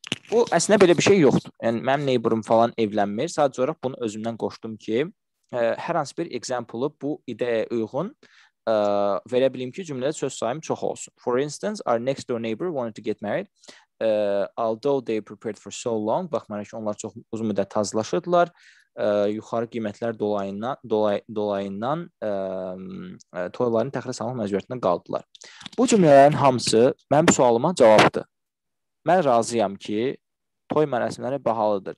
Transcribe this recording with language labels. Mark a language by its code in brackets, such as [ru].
[az] Bu, əslində, belə bir şey yoxdur. Yəni, mənim neighborum falan evlənmir. Sadəcə olaraq bunu özümdən qoşdum ki, hər hansı bir example-ı bu ideyə uyğun verə bilim ki, cümlədə söz sayım çox olsun. [en] For instance, our next door neighbor wanted to get married. Although they prepared for so long, [az] baxmayaraq ki, onlar çox uzun müddət hazırlaşırdılar. Yuxarı qiymətlər dolayından toyların təxirə salmaq məcburiyyətində qaldılar. Bu cümlələrin hamısı mənim sualıma cavabdır. Mən razıyam ki, toy mərasimləri bahalıdır.